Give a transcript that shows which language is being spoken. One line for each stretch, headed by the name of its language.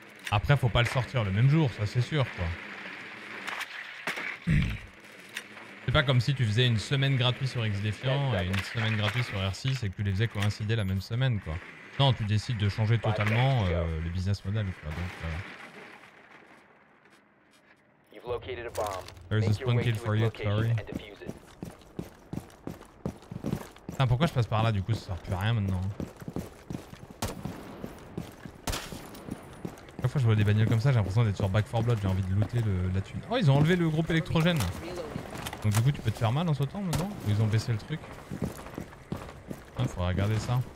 French: Après, faut pas le sortir le même jour, ça c'est sûr, quoi. C'est pas comme si tu faisais une semaine gratuite sur X-Défiant et une semaine gratuite sur R6 et que tu les faisais coïncider la même semaine, quoi. Non, tu décides de changer totalement le business model, quoi.
English: Donc, there's a spawn kit for you, Curry.
French: Putain, pourquoi je passe par là du coup, ça sert plus à rien maintenant. Chaque fois que je vois des bagnoles comme ça, j'ai l'impression d'être sur Back 4 Blood, j'ai envie de looter la thune. Oh, ils ont enlevé le groupe électrogène. Donc du coup, tu peux te faire mal en sautant maintenant. Ou ils ont baissé le truc. Ah, faudra regarder ça.